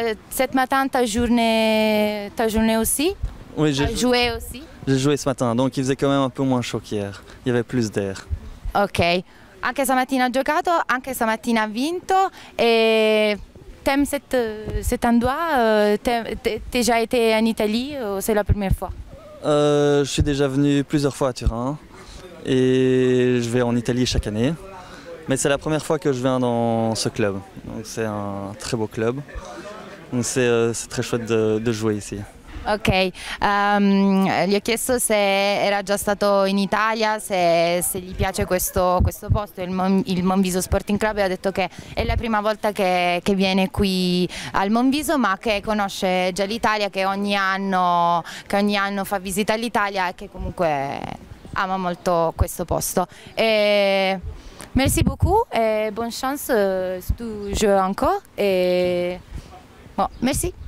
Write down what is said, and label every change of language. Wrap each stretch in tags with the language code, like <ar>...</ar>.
<fr>Cette matin ta journée aussi? Oui, joué aussi. J'ai joué ce matin, donc il faisait quand même un peu moins chaud qu'hier. Il y avait plus d'air. Ok.</fr> <it>Anche stamattina ha giocato, anche stamattina ha vinto.</it> <fr>T'aimes cet endroit? T'es déjà été en Italie ou c'est la première fois? Je suis déjà venu plusieurs fois à Turin et je vais en Italie chaque année. Mais c'est la première fois que je viens dans ce club. Donc c'est un très beau club. Donc c'est très chouette de jouer ici.</fr> <it>Ok, gli ho chiesto se era già stato in Italia, se gli piace questo posto, il Monviso Sporting Club, e ha detto che è la prima volta che viene qui al Monviso, ma che conosce già l'Italia, che ogni anno fa visita all'Italia e che comunque ama molto questo posto.</it> <fr>Merci beaucoup e bonne chance, tu joues encore. Bon, merci.</fr>